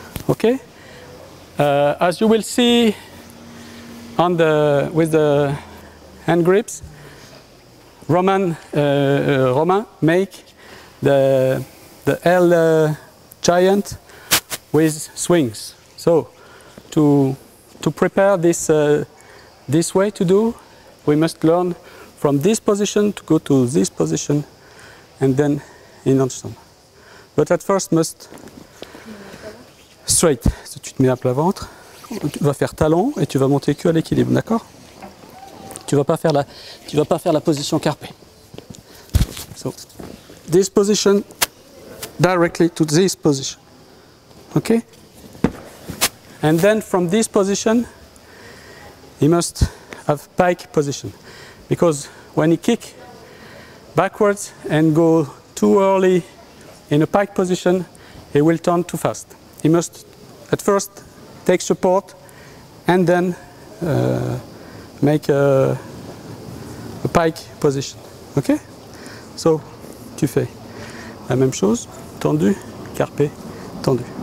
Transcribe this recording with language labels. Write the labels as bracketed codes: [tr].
[en] Okay, as you will see on the with the hand grips, Romain make the L giant with swings. So to prepare this this way to do, we must learn from this position to go to this position and then in Armstrong. But at first must straight. [fr] So tu te mets à plat ventre, tu vas faire talon et tu vas monter que à l'équilibre, d'accord? Tu vas pas faire la position carpée. [en] So this position directly to this position. Okay? And then from this position he must have pike position, because when he kick backwards and go too early in a pike position, he will turn too fast. He must at first take support and then make a pike position. Okay? [fr] So tu fais la même chose, tendu, carpé, tendu.